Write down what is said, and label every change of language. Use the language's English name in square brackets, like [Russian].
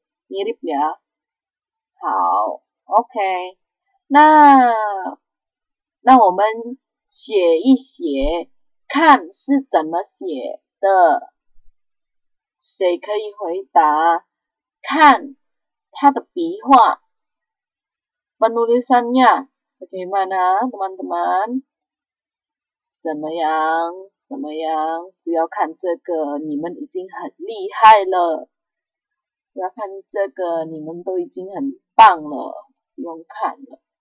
[Indonesian] Mirip ya. Hao, okay. [Chinese] Nah, 我们写一写，看是怎么写的？谁可以回答？看它的笔画， [Indonesian] penulisannya bagaimana, teman-teman？ [Chinese] 怎么样？不要看这个，你们已经很厉害了。不要看这个，你们都已经很棒了，不用看了。